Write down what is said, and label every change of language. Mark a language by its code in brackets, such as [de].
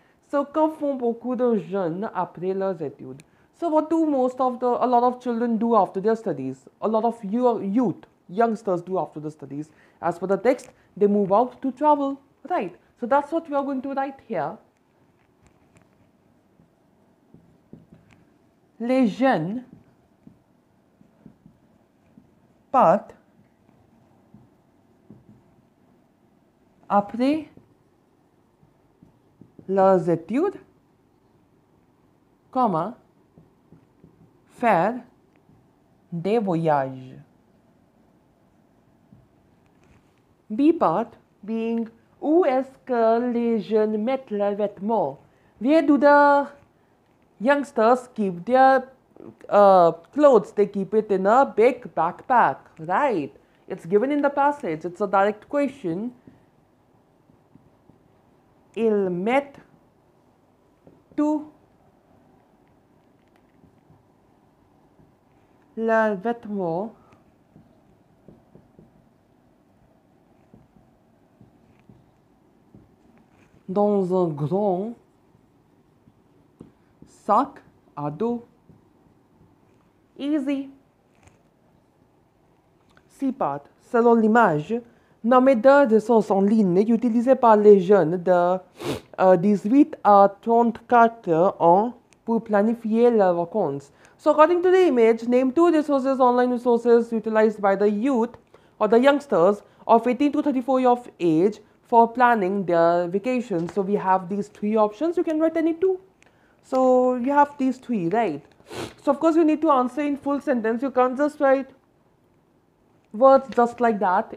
[fr] So, que font beaucoup de jeunes après leurs études? [en] So, what do a lot of children do after their studies? A lot of youngsters do after the studies. As for the text, they move out to travel. Right. So that's what we are going to write here. [fr] Les jeunes part, après leurs études, comma, faire des voyages. [en] B part being, [fr] où est-ce que les jeunes mettent leurs vêtements? [en] Where do the youngsters keep their clothes? They keep it in a big backpack, right? It's given in the passage. It's a direct question. [fr] Ils mettent tout leurs vêtements dans un grand sac à dos. [en] Easy. C-part. [fr] Selon l'image, nommée de ressources en ligne utilisées par les jeunes de 18 à 34 ans pour planifier leurs vacances. [en] So according to the image, name two resources, online resources utilized by the youth or the youngsters of 18 to 34 years of age for planning their vacation. So we have these three options. You can write any two. So you have these three, right? So of course you need to answer in full sentence. You can't just write words just like that.